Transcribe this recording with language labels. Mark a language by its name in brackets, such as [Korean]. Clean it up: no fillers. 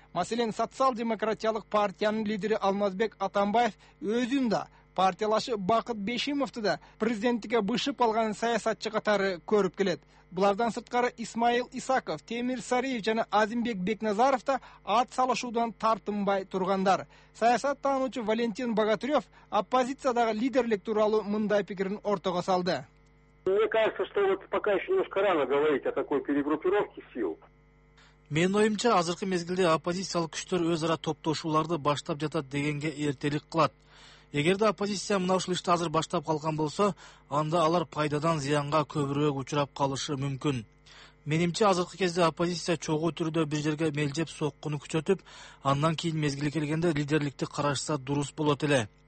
[Kyrgyz] Маселен, социал-демократиялык партиянын лидери Алмазбек Атамбаев өзүн да, партиялашы Бакыт Бешимовду да президенттикке бышып алган саясатчы катары көрүп келет. Булардан сырткары Исмаил Исаков, Темир Сариев жана Азимбек Бекназаров да ат салышуудан тартынбай тургандар. Саясат таануучу Валентин Богатырев оппозициядагы лидерлик тууралуу мындай пикирин ортого салды. [Russian] Мне кажется, что вот пока еще немножко рано говорить о такой перегруппировке сил. [Kyrgyz] Мен оюмча азыркы мезгилде оппозициялык күчтөр өз ара топтошууларды баштап жатат дегенге эртелик кылат. Эгерде оппозиция мына ушул ишти азыр баштап калган болсо, анда алар пайдадан зыянга көбүрөөк учурап калышы мүмкүн. Менимче азыркы кезде оппозиция чогуу түрдө бир жерге мелжеп соккуну күчөтүп, андан кийин мезгили келгенде лидерликти карашса дурус болот эле.